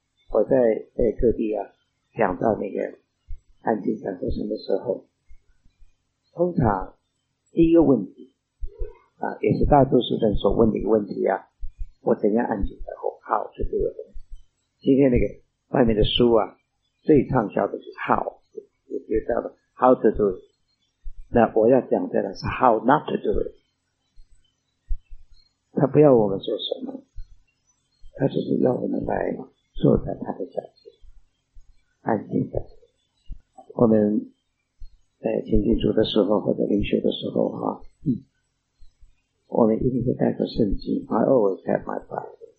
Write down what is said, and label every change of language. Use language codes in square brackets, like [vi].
[zh] 我在各地啊讲到那个安静讲座什么时候，通常第一个问题啊，也是大多数人所问的一个问题啊，我怎样安静的后 [en] how [zh] 是这个问题。今天那个外面的书啊，最畅销的是 [en] how， [zh] 也就叫做 [en] how to do it。 [zh] 那我要讲的是 [en] how not to do it。 [zh] 他不要我们做什么，他只是要我们来坐在他的脚前安静的。我们在亲近主的时候或者灵修的时候我们一定会带着圣经。 [en] I always have my Bible，